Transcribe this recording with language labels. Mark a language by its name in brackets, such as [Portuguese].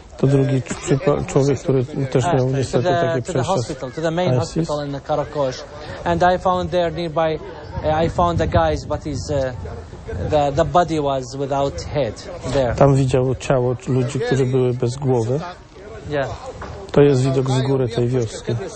[Polish] To drugi człowiek, który też miał niestety takie przeszkody. [English] To the hospital, to the main hospital in Qaraqosh. And I found there nearby, I found the guys, but his the body was without head there. [Polish] Tam widział ciało ludzi, którzy były bez głowy. [English] Yeah. [Polish] To jest widok z góry tej wioski.